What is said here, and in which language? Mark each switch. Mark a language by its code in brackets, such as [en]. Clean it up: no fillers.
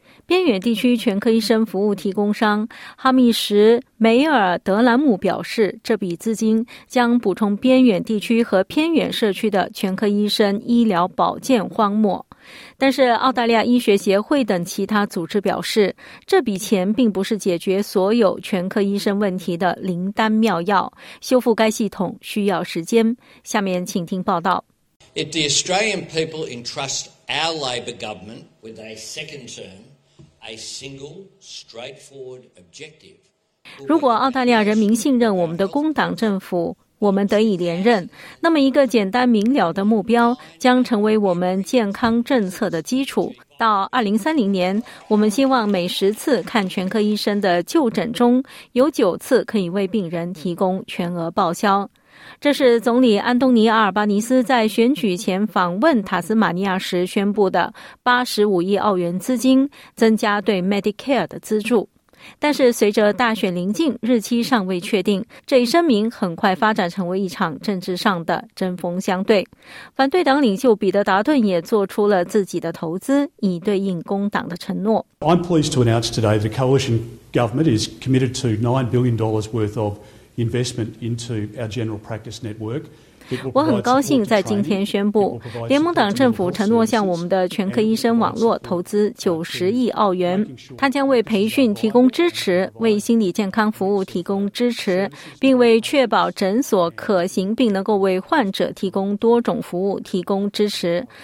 [zh] 边远地区全科医生服务提供商哈密什·梅尔·德兰姆表示，这笔资金将补充边远地区和偏远社区的全科医生医疗保健荒漠。但是澳大利亚医学协会等其他组织表示，这笔钱并不是解决所有全科医生问题的灵丹妙药，修复该系统需要时间。下面请听报道。 [en] If the Australian people entrust our Labor government with a second term,A single, straightforward objective. [zh] 如果澳大利亚人民信任我们的工党政府，我们得以连任，那么一个简单明了的目标将成为我们健康政策的基础。到2030年，我们希望每十次看全科医生的就诊中，有九次可以为病人提供全额报销。这是总理安东尼·阿尔巴尼斯在选举前访问塔斯马尼亚时宣布的85亿澳元资金，增加对 Medicare 的资助。但是随着大选临近，日期尚未确定，这一声明很快发展成为一场政治上的针锋相对。反对党领袖彼得·达顿也做出了自己的投资，以对应工党的承诺。 [en] I'm pleased to announce today the coalition government is committed to $9 billion worth of investment into our general practice network. [zh] 我很高兴在今天宣布，联盟党政府承诺向我们的全科医生网络投资90亿澳元，他将为培训提供支持，为心理健康服务提供支持，并为确保诊所可行并能够为患者提供多种服务提供支持。